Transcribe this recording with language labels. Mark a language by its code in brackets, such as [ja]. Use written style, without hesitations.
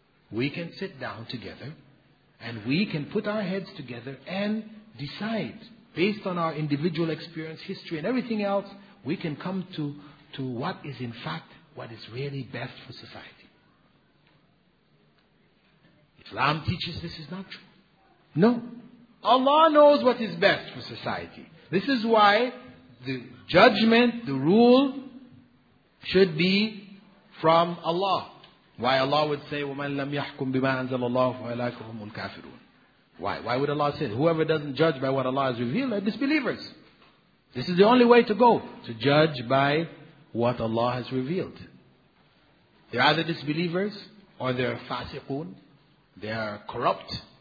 [en] We can sit down together and we can put our heads together and decide, based on our individual experience, history and everything else, we can come to what is in fact what is really best for society. Islam teaches this is not true. No. Allah knows what is best for society. This is why the judgment, the rule, should be from Allah. Why Allah would say, [ar] وَمَنْ لَمْ يَحْكُمْ بِمَا أَنْزَلَ اللَّهُ فَأُولَٰئِكَ هُمُ الْكَافِرُونَ. [en] Why would Allah say, whoever doesn't judge by what Allah has revealed are disbelievers. This is the only way to go, to judge by what Allah has revealed. They're either disbelievers or they're fasiqun. They are corrupt.